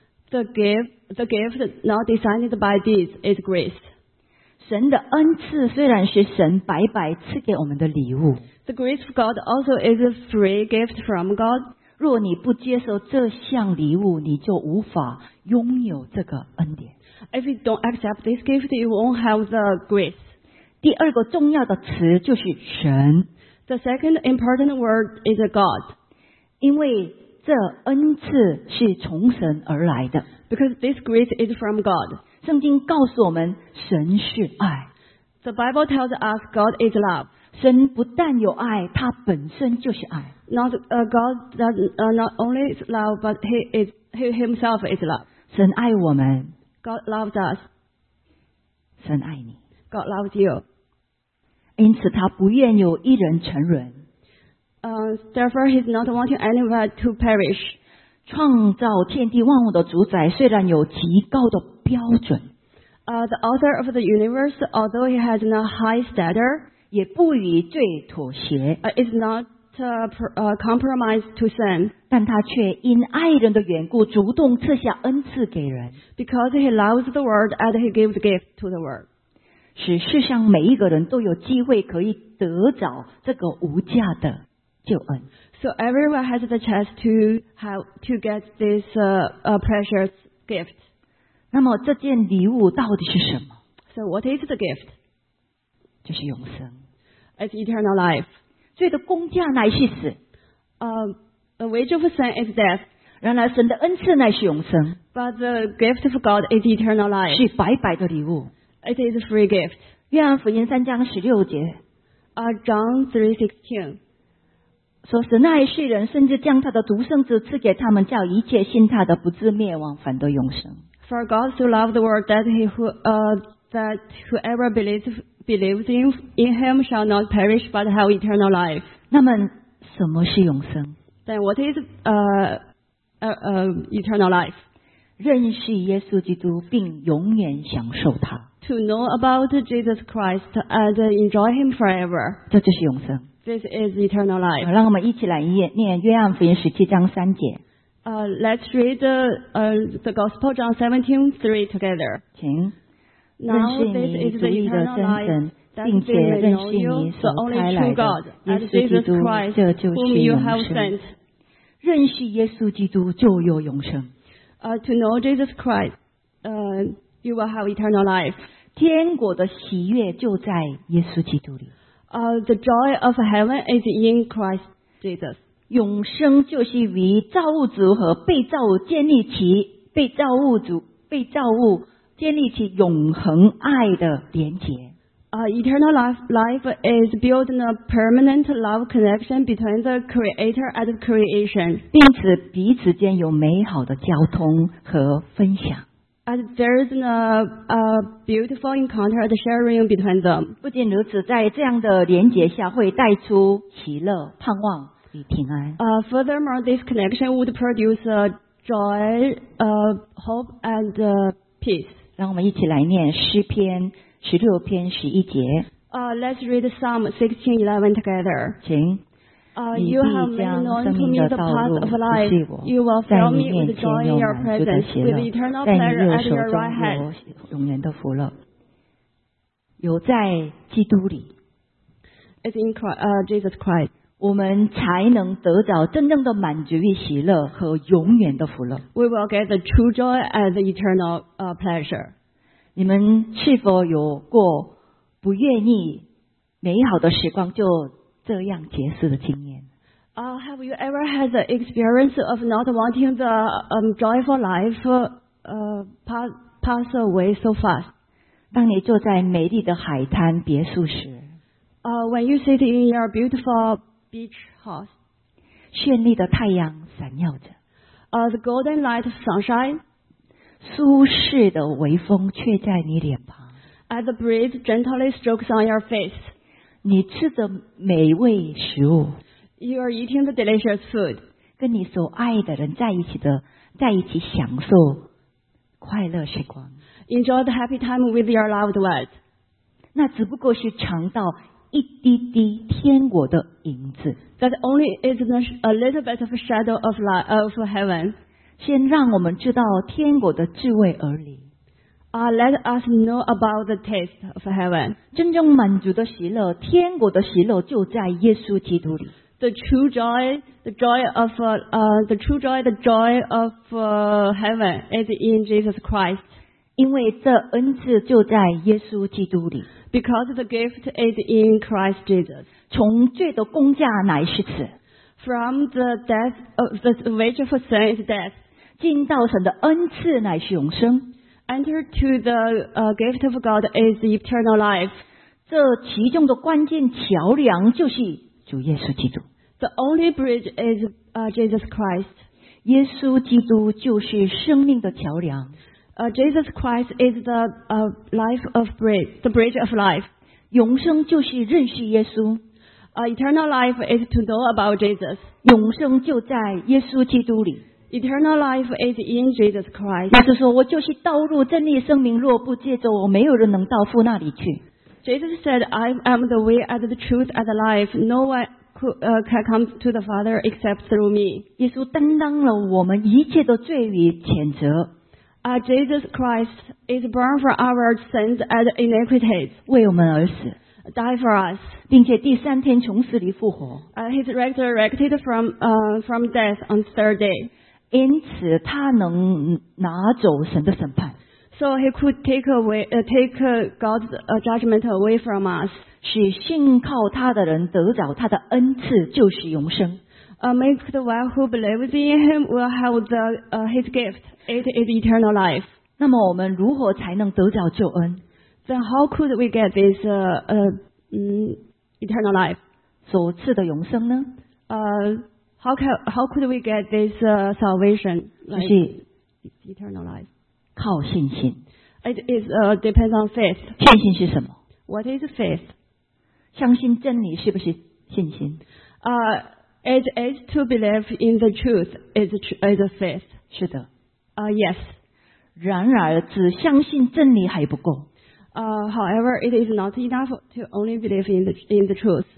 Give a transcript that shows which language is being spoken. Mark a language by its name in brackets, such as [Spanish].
[English] The gift not designed by deeds is grace. [Chinese] 神的恩赐虽然是神白白赐给我们的礼物。 [English] The grace of God also is a free gift from God. [Chinese] 若你不接受这项礼物，你就无法拥有这个恩典。 [English] If you don't accept this gift, you won't have the grace. [Chinese] 第二个重要的词就是神。 [English] The second important word is God. [Chinese] 因为这恩赐是从神而来的。 [English] Because this grace is from God. [Chinese] 圣经告诉我们神是爱。 [English] The Bible tells us God is love. [Chinese] 神不但有爱，他本身就是爱。 [English] Not only love, but he himself is love. [Chinese] 神爱我们。 [English] God loves us. [Chinese] 神爱你。 [English] God loves you. [Chinese] 因此他不愿有一人沉沦。 [English] Therefore, he's not wanting anyone to perish. [Chinese] 创造天地万物的主宰虽然有极高的标准。 [English] The author of the universe, although he has a high standard, [Chinese] 也不与罪妥协。 [English] Is not compromised to sin. [Chinese] 但他却因爱人的缘故主动赐下恩赐给人。 [English] Because he loves the world and he gives gift to the world. [Chinese] 使世上每一个人都有机会可以得着这个无价的救恩。 [English] So everyone has the chance to get this precious gift. [Chinese] 那么这件礼物到底是什么？ [English] So what is the gift? [Chinese] 就是永生。 [English] It's eternal life. [Chinese] 罪的工价乃是死。 [English] The wage of sin is death. [Chinese] 然而神的恩赐乃是永生。 [English] But the gift of God is eternal life. [Chinese] 是白白的礼物。 [English] It is a free gift. [Chinese] 约翰福音三章十六节。 [English] John 3:16. [Chinese] 说神爱世人，甚至将他的独生子赐给他们，叫一切信他的不至灭亡，反得永生。 [English] For God so loved the world that whoever believes in him shall not perish but have eternal life. [Chinese] 那么什么是永生？ [English] Then what is eternal life? [Chinese] 认识耶稣基督并永远享受他。 [English] To know about Jesus Christ and enjoy Him forever. [Chinese] 这就是永生。 [English] This is eternal life. [Chinese] 让我们一起来念约翰福音十七章三节。 [English] Let's read the Gospel John 17:3 together. [Chinese] 请。认识你独一的真神，并且认识你所差来的耶稣基督，这就是永生。认识耶稣基督就有永生。 [English] To know Jesus Christ, You will have eternal life. [Chinese] 天国的喜悦就在耶稣基督里。 [English] The joy of heaven is in Christ Jesus. [Chinese] 永生就是与造物主和被造物建立起被造物建立起永恒爱的连结。 [English] Eternal life is building a permanent love connection between the Creator and creation. [Chinese] 并且彼此间有美好的交通和分享。 [English] And there is a beautiful encounter and sharing between them. [Chinese] 不仅如此，在这样的连结下会带出喜乐、盼望与平安。 [English] Furthermore, this connection would produce joy, hope and peace. [Chinese] 让我们一起来念诗篇十六篇十一节。 [English] Let's read Psalm 16:11 together. [Chinese] 请。 [English] You have made known to me the path of life. You will fill me with joy in your presence, with eternal pleasure at your right hand. [Chinese] 永远的福乐，有在基督里。 [English] It's in Jesus Christ. [Chinese] 我们才能得着真正的满足与喜乐和永远的福乐。 [English] We will get the true joy and the eternal pleasure. [Chinese] 你们是否有过不愿意美好的时光就？这样结束的经验。 [English] Have you ever had the experience of not wanting the joyful life pass away so fast? [Chinese] 当你坐在美丽的海滩别墅时。 [English] When you sit in your beautiful beach house. [Chinese] 绚丽的太阳闪耀着。 [English] The golden light sunshine. [Chinese] 舒适的微风却在你脸旁。 [English] As the breeze gently strokes on your face. [Chinese] 你吃的美味食物 [English] ，You are eating the delicious food， [Chinese] 跟你所爱的人在一起享受快乐时光 [English] ，Enjoy the happy time with your loved ones。 [Chinese] 那只不过是尝到一滴滴天国的影子 [English] ，That only is a little bit of a shadow of life of heaven。 [Chinese] 先让我们知道天国的滋味而已。 [English] Let us know about the taste of heaven. [Chinese] 真正满足的喜乐，天国的喜乐就在耶稣基督里。 [English] The true joy of heaven is in Jesus Christ. [Chinese] 因为这恩赐就在耶稣基督里。 [English] Because the gift is in Christ Jesus. [Chinese] 从罪的工价乃是死。 [English] From the death of the wage for sin is death. [Chinese] 进到神的恩赐乃是永生。 [English] Enter to the gift of God is eternal life. [Chinese] 这其中的关键桥梁就是主耶稣基督。 [English] The only bridge is Jesus Christ. [Chinese] 耶稣基督就是生命的桥梁。 [English] Jesus Christ is the life of bridge, the bridge of life. [Chinese] 永生就是认识耶稣。 [English] Eternal life is to know about Jesus. [Chinese] 永生就在耶稣基督里。 [English] Eternal life is in Jesus Christ. [Chinese] 那就说我就是道路真理生命，若不借着我，没有人能到父那里去。 [English] Jesus said, I am the way and the truth and the life. No one can come to the Father except through me. [Chinese] 耶稣担当了我们一切的罪与谴责。 [English] Jesus Christ is born for our sins and iniquities. [Chinese] 为我们而死。 [English] Die for us. [Chinese] 并且第三天从死里复活。 [English] He's resurrected from death on the third day. [Chinese] 因此他能拿走神的审判。 [English] So he could take God's judgment away from us. [Chinese] 使信靠他的人得着他的恩赐，就是永生。 [English] Make the one who believes in him will have the his gift. It is eternal life. [Chinese] 那么我们如何才能得着救恩？ [English] Then how could we get this eternal life? [Chinese] 所赐的永生呢？ [English] How could we get this salvation? Like, [Chinese] 是 [English] eternal life. [Chinese] 靠信心。 [English] It is depends on faith. [Chinese] 信心是什么？ [English] What is faith? [Chinese] 相信真理是不是信心？ [English] It is to believe in the truth is a faith. [Chinese] 是的。 [English] Yes. [Chinese] 然而只相信真理还不够。 [English] However, it is not enough to only believe in the truth.